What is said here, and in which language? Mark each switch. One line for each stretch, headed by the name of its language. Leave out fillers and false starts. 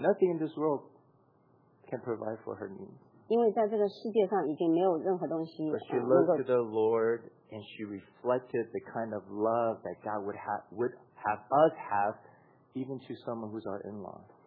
English: Nothing in this world can provide for her needs.
Chinese: 因为在这个世界上已经没有任何东西。
English: But she looked to the Lord and she reflected the kind of love that God would have us have even to someone who's our in-law.